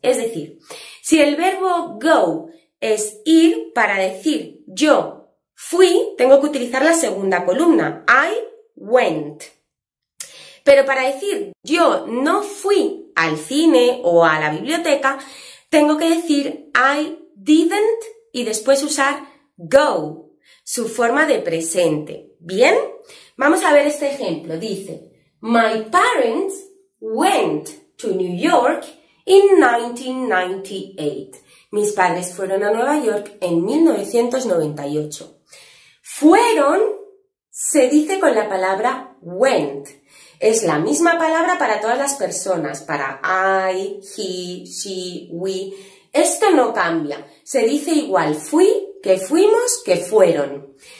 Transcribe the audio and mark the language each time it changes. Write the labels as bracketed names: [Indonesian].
[Spanish] Es decir, si el verbo go es ir para decir yo fui, tengo que utilizar la segunda columna, [English] I went. [Spanish] Pero para decir yo no fui al cine o a la biblioteca, tengo que decir [English] I didn't [Spanish] y después usar go, su forma de presente. ¿Bien? Vamos a ver este ejemplo. Dice, [English] my parents went to New York in 1998. [Spanish] Mis padres fueron a Nueva York en 1998. Fueron, se dice con la palabra went. Es la misma palabra para todas las personas, para I, he, she, we. Esto no cambia. Se dice igual fui, que fuimos, que fueron.